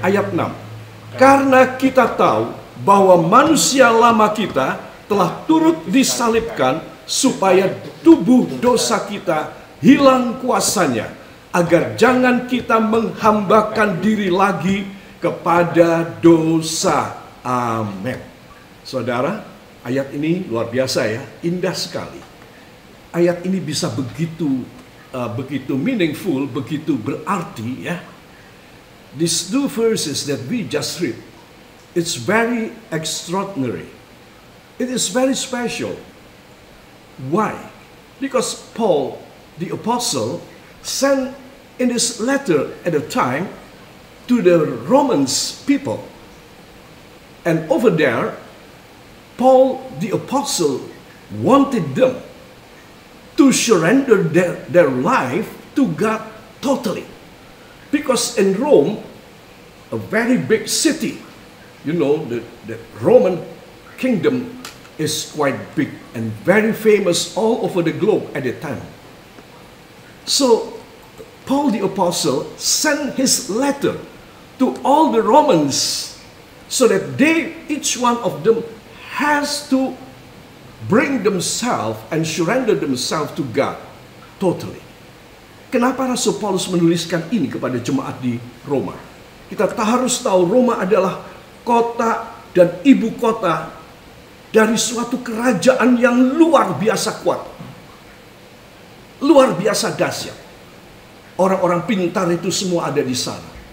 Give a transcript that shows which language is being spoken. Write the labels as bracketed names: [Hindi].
[Indonesian] Ayat 6. Karena kita tahu bahwa manusia lama kita telah turut disalibkan supaya tubuh dosa kita hilang kuasanya, agar jangan kita menghambakan diri lagi kepada dosa. Amin. Saudara, ayat ini luar biasa ya, indah sekali. Ayat ini bisa begitu begitu meaningful, begitu berarti ya. [English] These two verses that we just read, it's very extraordinary. It is very special. Why? Because Paul, the apostle, sent in this letter at the time to the Romans people. And over there, Paul, the apostle, wanted them to surrender their life to God totally. Because in Rome, a very big city, you know, the Roman kingdom is quite big and very famous all over the globe at the time. So Paul the apostle sent his letter to all the Romans so that they, each one of them, has to bring themselves and surrender themselves to God totally. [Indonesian] Kenapa Rasul Paulus menuliskan ini kepada jemaat di Roma? Kita harus tahu Roma adalah kota dan ibu kota dari suatu kerajaan yang luar biasa kuat. Luar biasa dahsyat. Orang-orang pintar itu semua ada di sana.